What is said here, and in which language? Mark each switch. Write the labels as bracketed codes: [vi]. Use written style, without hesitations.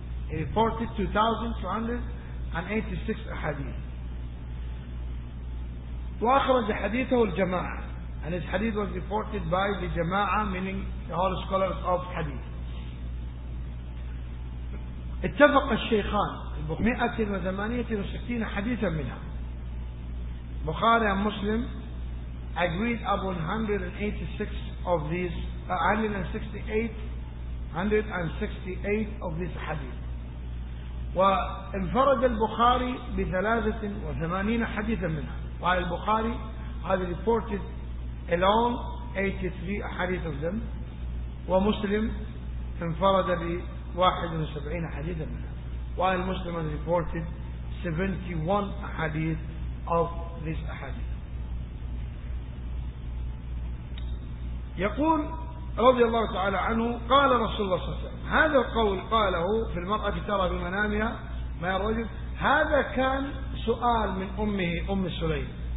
[en] He reported 2,286 حديث. [ar] وأخرج حديثه الجماعة. [en] And his hadith was reported by the jama'ah, meaning the whole scholars of hadith. [ar] اتفق الشيخان 168 حديثا منها. [en] Bukhari and Muslim agreed upon 186 of these 168 of these hadith. [ar] وانفرد البخاري بثلاثة وثمانين حديثا منها. [en] While البخاري had reported alone 83 حديث of them. [ar] ومسلم انفرد ب 71 حديثا منها. [en] While Muslim had reported 71 حديث of this hadith. [ar] يقول رضي الله تعالى عنه قال رسول الله صلى الله عليه وسلم هذا القول قاله في المرأة ترى بمنامها ما الرجل. هذا كان سؤال من أمه أم سليم.